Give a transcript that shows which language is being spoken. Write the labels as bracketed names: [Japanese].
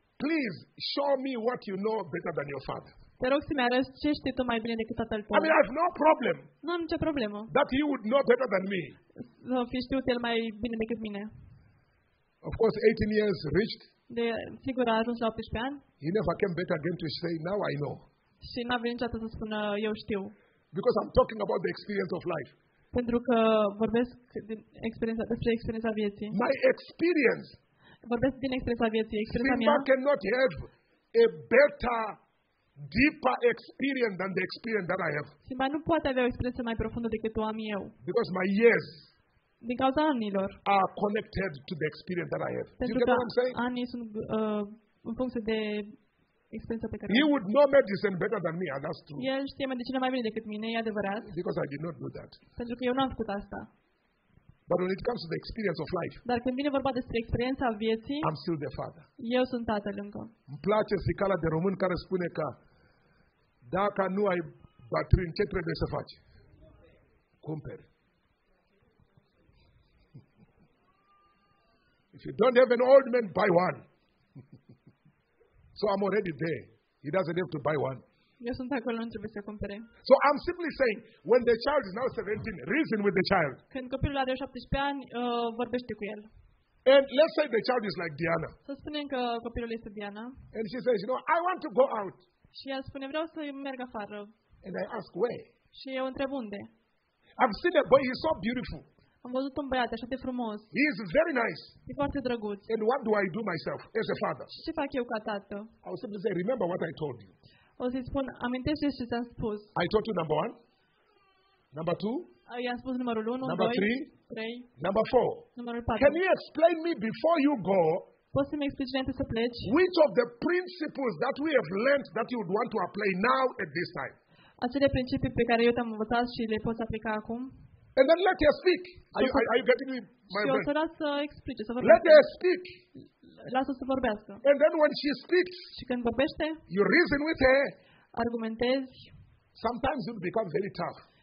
[English] please show me what you know better than your father. [Romanian] Te rog să-mi arăți ce știi tu mai bine decât tatăl tău. [English] I mean, I have no problem. [Romanian] Nu am nicio problemă. [English] That he would know better than me. [Romanian] Să fi știut el mai bine decât mine. [English] Of course, 18 years reached. [Romanian] De sigur a ajuns la 18 ani. [English] He never came back again to say, now I know. [Romanian] Și n-a venit niciodată să spună eu știu. [English] Because I'm talking about the experience of life. [Romanian] Pentru că vorbesc din experiența, despre experiența vieții. [English] My experience. [Romanian] Vorbesc din experiența vieții, experiența mea. [English] Simba cannot have a better, deeper experience than the experience that I have. [Romanian] Simba nu poate avea o experiență mai profundă decât o am eu. [English] Because my years. [Romanian] Din cauza anilor. [English] Are connected to the experience that I have. [Romanian] Pentru [English] you get what I'm saying? [Romanian] Anii sunt în funcție de experiența pe care. [English] He would know medicine better than me. That's true. [Romanian] El știe medicina mai bine decât mine. E adevărat. [English] Because I did not do that. [Romanian] Pentru că eu nu am făcut asta. [English] But when it comes to the experience of life. [Romanian] Dar când vine vorba despre experiența vieții. [English] I'm still the father. [Romanian] Eu sunt tatăl încă. Îmi place zicala de român care spune că dacă nu ai baterie, ce trebuie să faci? Cumperi. [English] If you don't have an old man, buy one. So I'm already there. He doesn't have to buy one. [Romanian] Eu sunt acolo, nu trebuie să cumpere. [English] So I'm simply saying, when the child is now 17, reason with the child. [Romanian] Când copilul are 17 ani, vorbește cu el. [English] And let's say the child is like Diana. [Romanian] Să spunem că copilul este Diana. [English] And she says, you know, I want to go out. [Romanian] Și el spune, vreau să merg afară. [English] And I ask where. [Romanian] Și eu întreb unde. [English] I've seen a boy, he's so beautiful. [Romanian] Am văzut un băiat așa de frumos. [English] He is very nice. [Romanian] E foarte drăguț. [English] And what do I do myself as a father? [Romanian] Ce fac eu ca tată? [English] I was simply saying, remember what I told you. [Romanian] O să-i spun, amintește-ți ce ți-am spus. [English] I told you number one. Number two. [Romanian] I-am spus numărul 1, [English] number 2, 3. Number 4. [Romanian] Numărul 4. [English] Can you explain me before you go? [Romanian] Poți să-mi explici înainte să pleci? [English] Which of the principles that we have learned that you would want to apply now at this time? [Romanian] Acele principii pe care eu te-am învățat și le poți aplica acum? [English] And then let her speak. Are you getting me, my friend? [Romanian] Și o să las să explice, să vorbesc. [English] Let her speak. [Romanian] Lasă să vorbească. [English] And then when she speaks, [Romanian] și când vorbește, [English] you reason with her. [Romanian] Argumentezi. [English] Sometimes it becomes very tough.